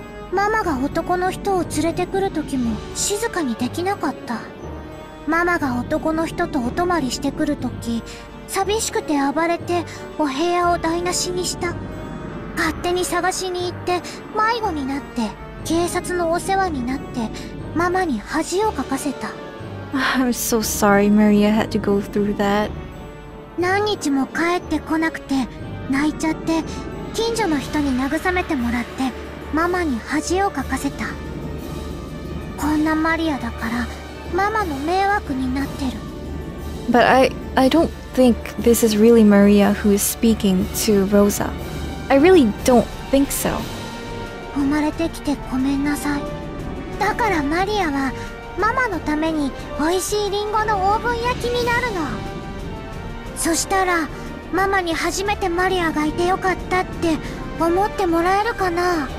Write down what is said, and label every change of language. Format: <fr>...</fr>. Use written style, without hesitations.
<ja>ママが男の人を連れてくる時も静かにできなかった。ママが男の人とお泊まりしてくる時、寂しくて暴れてお部屋を台無しにした。勝手に探しに行って迷子になって警察のお世話になってママに恥をかかせた。</ja> <en>I'm so sorry Maria had to go through that.</en> <ja>何日も帰ってこなくて泣いちゃって近所の人に慰めてもらって。ママに恥をかかせた。こんなマリアだからママの迷惑になってる。</ja> <en>But I don't think this is really Maria who is speaking to Rosa. I really don't think so.</en> <ja>生まれてきてごめんなさい。だからマリアはママのために美味しいリンゴのオーブン焼きになるの。そしたらママに初めてマリアがいてよかったって思ってもらえるかな。</ja>